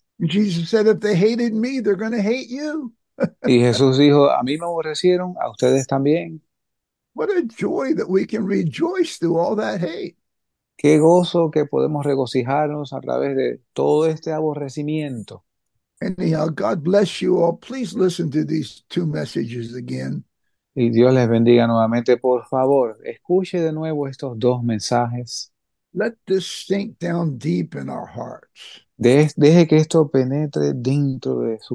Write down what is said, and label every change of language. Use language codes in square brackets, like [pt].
[en] Jesus said, if they hated me, they're going to hate you. [es] Y Jesús dijo, a mí me aborrecieron, a ustedes también. [en] What a joy that we can rejoice through all that hate. [es] Qué gozo que podemos regocijarnos a través de todo este aborrecimiento. [en] Anyhow, God bless you all. Please listen to these two messages again. [es] Y Dios les bendiga nuevamente. Por favor, escuche de nuevo estos dos mensajes. [en] Let this sink down deep in our hearts. [es] Deje que esto penetre dentro de su corazón.